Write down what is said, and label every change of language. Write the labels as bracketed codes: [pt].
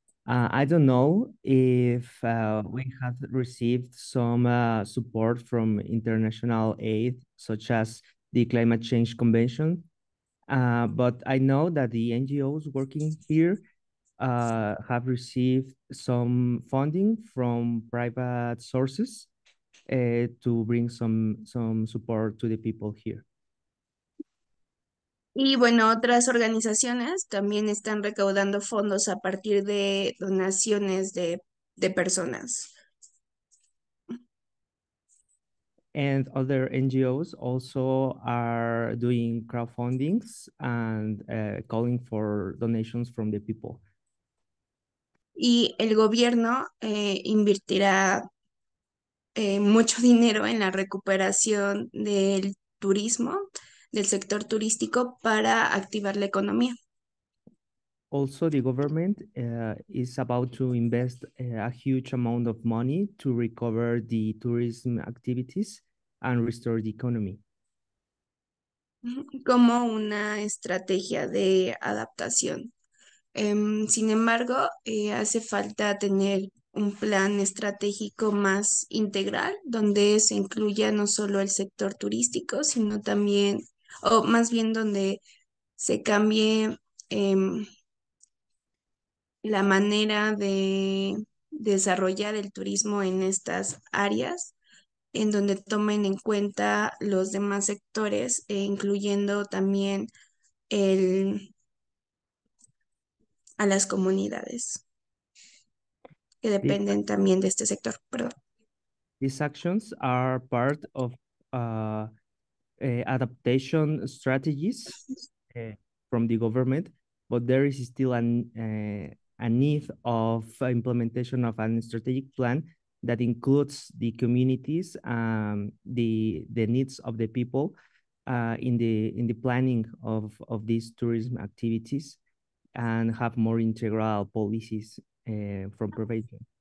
[en] I don't know if we have received some support from international aid, such as the Climate Change Convention, but I know that the NGOs working here have received some funding from private sources to bring some support to the people here. [es] Y bueno, otras organizaciones también están recaudando fondos a partir de donaciones de personas. And other NGOs also are doing crowdfundings and calling for donations from the people. Y el gobierno invertirá mucho dinero en la recuperación del turismo, del sector turístico, para activar la economía. Also, the government is about to invest a huge amount of money to recover the tourism activities and restore the economy. Como una estrategia de adaptación. Sin embargo, hace falta tener un plan estratégico más integral, donde se incluya no solo el sector turístico, sino también, o más bien donde se cambie la manera de desarrollar el turismo en estas áreas, en donde tomen en cuenta los demás sectores, incluyendo también a las comunidades que dependen también de este sector. Perdón. [en] These actions are part of adaptation strategies from the government, but there is still a need of implementation of a strategic plan that includes the communities, the needs of the people, in the planning of these tourism activities, and have more integral policies from prevention.